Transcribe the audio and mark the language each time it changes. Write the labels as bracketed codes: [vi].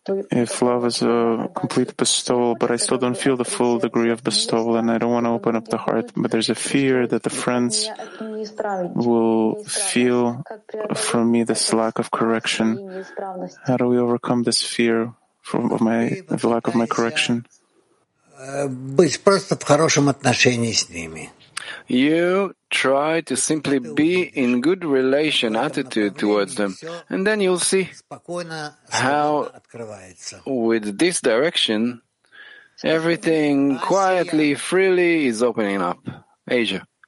[en] If love is a complete bestowal, but I still don't feel the full degree of bestowal and I don't want to open up the heart, but there's a fear that the friends will feel from me this lack of correction, how do we overcome this fear of my the lack of my correction? [ru] Быть просто в хорошем отношении с ними. [en] You try to simply be in good relation, attitude towards them, and then you'll see how with this direction everything quietly, freely is opening up. Asia.